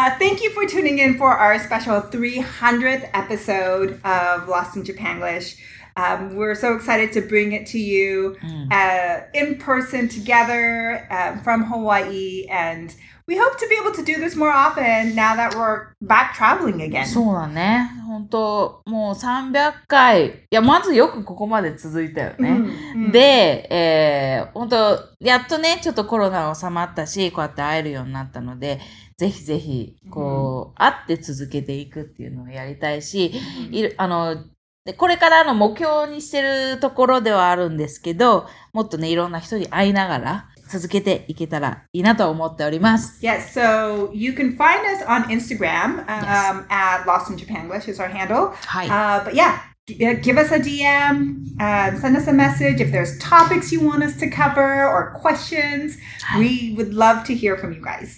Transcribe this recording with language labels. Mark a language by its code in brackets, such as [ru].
[en] thank you for tuning in for our special 300th episode of Lost in Japanglish. We're so excited to bring it to you in person together from Hawaii, and we hope to be able to do this more often now that we're back traveling again. [ja] そうだね。本当、もう300回。いや、まずよくここまで続いたよね。 Mm-hmm. で、本当、やっとね、ちょっとコロナ収まったし、こうやって会えるようになったので、ぜひぜひ、こう、mm-hmm. 会って続けていくっていうのをやりたいし、mm-hmm. でこれからの目標にしてるところではあるんですけど、もっとね、いろんな人に会いながら続けていけたらいいなと思っております。 [en] Yes, so you can find us on Instagram, at Lost in Japanglish is our handle. [ja] はい。 [en] But yeah, give us a DM, send us a message if there's topics you want us to cover or questions. We would love to hear from you guys.